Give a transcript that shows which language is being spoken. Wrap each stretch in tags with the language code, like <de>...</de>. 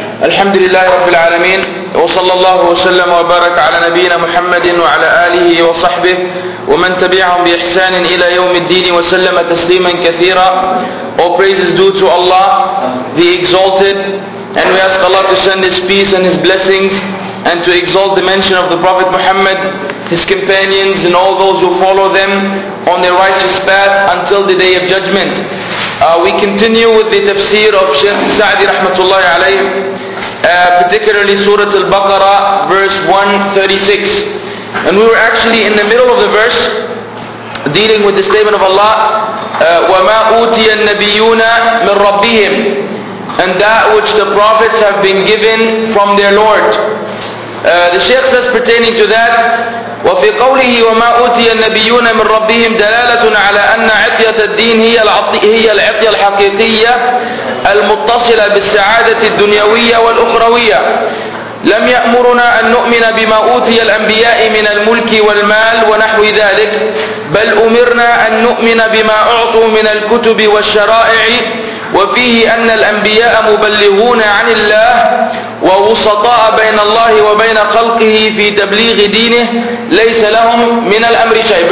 <ar>الحمد لله رب العالمين وصلى الله وسلم وبارك على نبينا محمد وعلى آله وصحبه ومن تبعهم بإحسان إلى يوم الدين وسلم تسليما كثيرا.</ar> <en>All praises due to Allah, the exalted, and we ask Allah to send His peace and His blessings and to exalt the mention of the Prophet Muhammad, his companions and all those who follow them on their righteous path until the Day of Judgment. We continue with the tafsir of Shaykh Sa'di rahmatullahi alayhi, particularly Surah Al-Baqarah verse 136. And we were actually in the middle of the verse dealing with the statement of Allah,</en> <ar>وَمَا أُوتِيَ النَّبِيُّونَ مِنْ رَبِّهِمْ,</ar> <en>and that which the prophets have been given from their Lord. The Shaykh says pertaining to that,</en> <ar>وَفِي قَوْلِهِ وَمَا أُوتِيَ النَّبِيُّونَ مِنْ رَبِّهِمْ دَلَالَةٌ عَلَى أَنَّ عِطْيَةَ الدِّينِ هِيَ الْعِطْيَةَ الْحَقِيقِيَّةَ الْمُتَّصِلَةَ بِالسَّعَادَةِ الدُّنْيَوِيَّةَ وَالْأُخْرَوِيَّةَ لَمْ يَأْمُرُنَا أَنْ نُؤْمِنَ بِمَا أُوتِيَ الْأَنْبِيَاءِ مِنَ الْمُلْكِ وَالْمَالِ وَنَحْوِ ذَلِكَ بَلْ أُمِرْنَا أَنْ نُؤْمِنَ بِمَا أُعْطُوا مِنَ الْكُتُبِ وَالشَّرَائِعِ وفيه أن الأنبياء مبلغون عن الله ووسطاء بين الله وبين خلقه في تبليغ دينه ليس لهم من الأمر شيء.</ar>